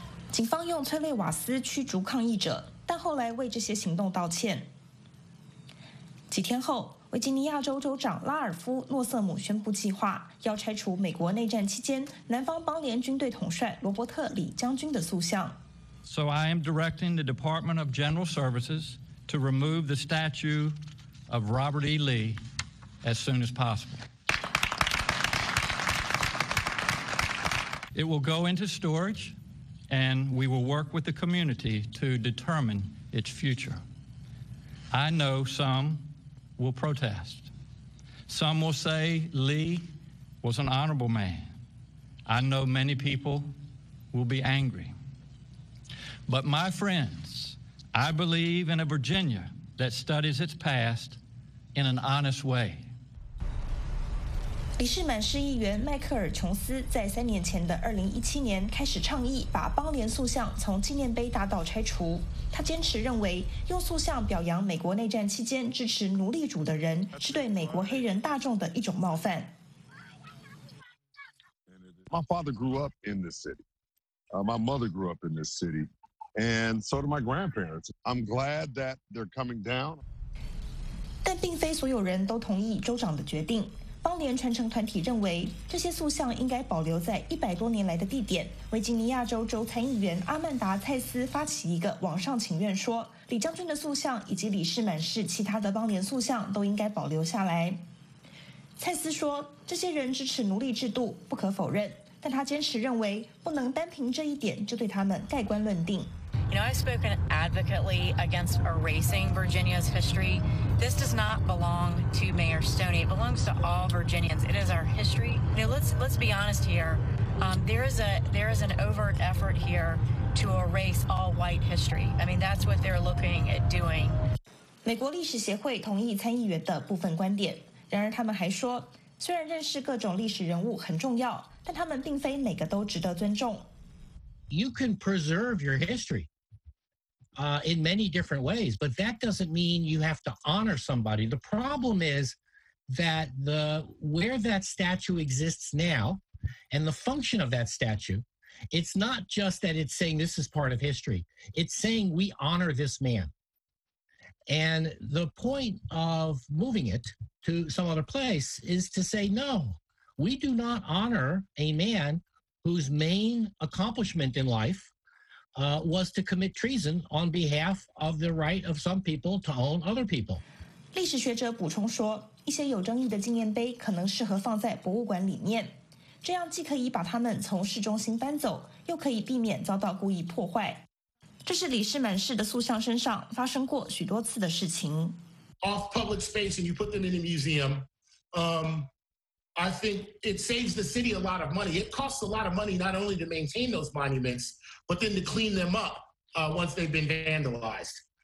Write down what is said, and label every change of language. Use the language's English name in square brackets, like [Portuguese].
[Chinese] 警方用催泪瓦斯驱逐抗议者，但后来为这些行动道歉。几天后，维吉尼亚州州长拉尔夫·诺瑟姆宣布计划要拆除美国内战期间南方邦联军队统帅罗伯特·李将军的塑像。 [English] So I am directing the Department of General Services to remove the statue of Robert E. Lee as soon as possible. It will go into storage. And we will work with the community to determine its future. I know some will protest. Some will say Lee was an honorable man. I know many people will be angry. But my friends, I believe in a Virginia that studies its past in an honest way. [Chinese] 里士满市议员迈克尔·琼斯在三年前的2017年开始倡议把邦联塑像从纪念碑大道拆除。他坚持认为，用塑像表扬美国内战期间支持奴隶主的人，是对美国黑人大众的一种冒犯。 [English] My father grew up in this city. My mother grew up in this city, and so do my grandparents. I'm glad that they're coming down. [Chinese] 但并非所有人都同意州长的决定。邦联传承团体认为，这些塑像应该保留在100多年来的地点。维吉尼亚州州参议员阿曼达·蔡斯发起一个网上请愿，说李将军的塑像以及里士满市其他的邦联塑像都应该保留下来。蔡斯说，这些人支持奴隶制度不可否认，但他坚持认为不能单凭这一点就对他们盖棺论定。 [English] You know, I've spoken advocately against erasing Virginia's history. This does not belong to Mayor Stoney. It belongs to all Virginians. It is our history. You know, let's be honest here. There is an overt effort here to erase all white history. I mean, that's what they're looking at doing. [Chinese] 美国历史协会同意参议员的部分观点，然而他们还说，虽然认识各种历史人物很重要，但他们并非每个都值得尊重。 [English] You can preserve your history, in many different ways, but that doesn't mean you have to honor somebody. The problem is that the where that statue exists now, and the function of that statue, it's not just that it's saying this is part of history. It's saying we honor this man. And the point of moving it to some other place is to say, no, we do not honor a man whose main accomplishment in life was to commit treason on behalf of the right of some people to own other people. [Chinese] 历史学者补充说，一些有争议的纪念碑可能适合放在博物馆里面，这样既可以把它们从市中心搬走，又可以避免遭到故意破坏。这是李士满氏的塑像身上发生过许多次的事情。 [English] Off public space and you put them in a museum, I think it saves the city a lot of money. It costs a lot of money not only to maintain those monuments, but then to clean them up, once they've been vandalized.